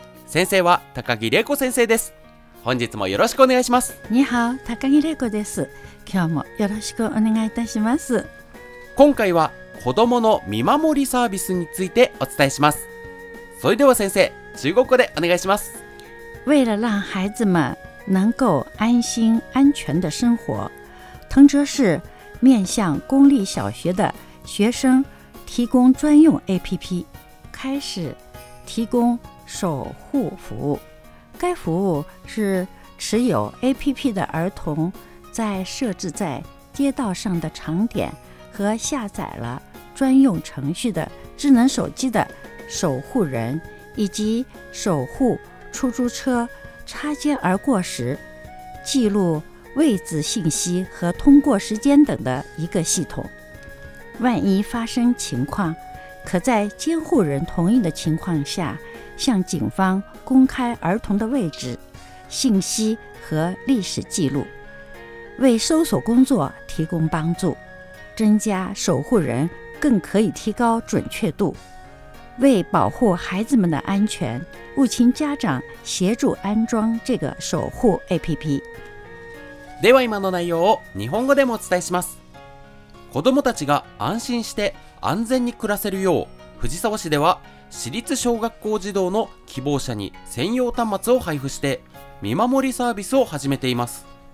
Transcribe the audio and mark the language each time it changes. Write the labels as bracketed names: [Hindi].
[Japanese] 先生は高木玲子先生です。本日もよろしくお願いします。你好、高木玲子です。今日もよろしくお願いいたします。今回は子どもの見守りサービスについてお伝えします。それでは先生、中国語でお願いします。 [Chinese] 为了让孩子们能够安心安全的生活，藤泽市面向公立小学的学生提供专用 APP， 开始提供守护服务。该服务是持有 APP 的儿童在设置在街道上的场点和下载了专用程序的智能手机的守护人以及守护出租车擦肩而过时记录位置信息和通过时间等的一个系统。万一发生情况，可在监护人同意的情况下向警方公开儿童的位置信息和历史记录，为搜索工作提供帮助，增加守护人更可以提高准确度。为保护孩子们的安全，务请家长协助安装这个守护 APP。 [Japanese] では今の内容を日本語でもお伝えします。子どもたちが安心して安全に暮らせるよう、藤沢市では市立小学校児童の希望者に専用端末を配布して見守りサービスを始めています。